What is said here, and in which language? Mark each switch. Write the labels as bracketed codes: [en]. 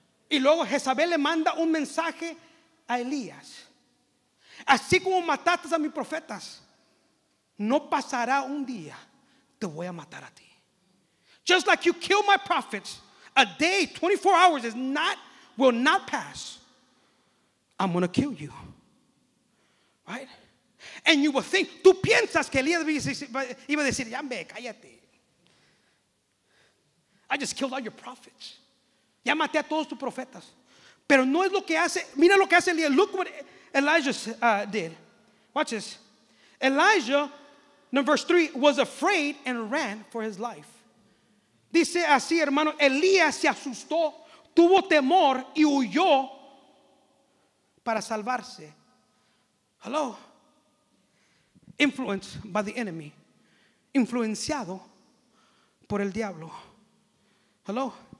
[es] Y luego Jezabel le manda un mensaje a Elías. Así como mataste a mis profetas, no pasará un día, te voy a matar a ti. [en] Just like you killed my prophets, a day, 24 hours will not pass. I'm going to kill you. Right? And you will think, [es] tú piensas que Elías iba a decir, ya me, cállate. [en] I just killed all your prophets. [es] Ya maté a todos tus profetas. Pero no es lo que hace, mira lo que hace Elías. [en] Look what Elijah did. Watch this. Elijah, in verse 3, was afraid and ran for his life. [es] Dice así, hermano, Elías se asustó, tuvo temor y huyó para salvarse. [en] Hello. Influenced by the enemy. [es] Influenciado por el diablo. Hello.